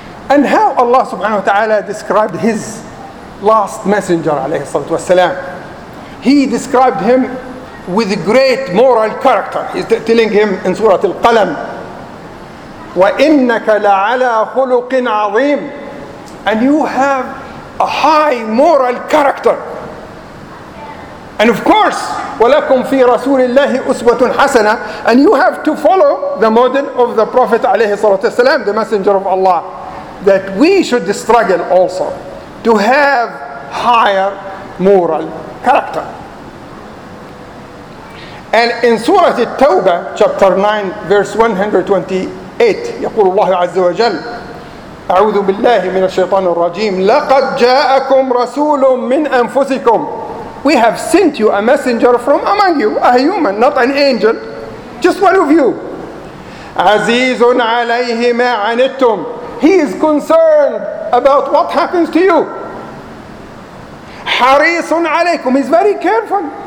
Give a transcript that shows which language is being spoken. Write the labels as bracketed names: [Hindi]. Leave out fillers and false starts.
[English] And how Allah subhanahu wa ta'ala described his last messenger alayhi salatu wasalam. He described him with great moral character. He's telling him in Surah Al-Qalam, [Arabic] وَإِنَّكَ لَعَلَىٰ خُلُقٍ عَظِيمٍ. [English] And you have a high moral character. And of course, [Arabic] وَلَكُمْ فِي رَسُولِ اللَّهِ أُسْوَةٌ حَسَنَةٌ. [English] And you have to follow the model of the Prophet alayhi salatu wasalam, the messenger of Allah. That we should struggle also to have higher moral character. And in Surah At-Tawbah, chapter 9, verse 128, [Arabic] يقول الله عز وجل, أعوذ بالله من الشيطان الرجيم. لقد جاءكم رسول من أنفسكم. [English] We have sent you a messenger from among you. A human, not an angel. Just one of you. [Arabic] عزيز عليه ما عنتم. [English] He is concerned about what happens to you. [Arabic] حريص عليكم. [English] He's very careful.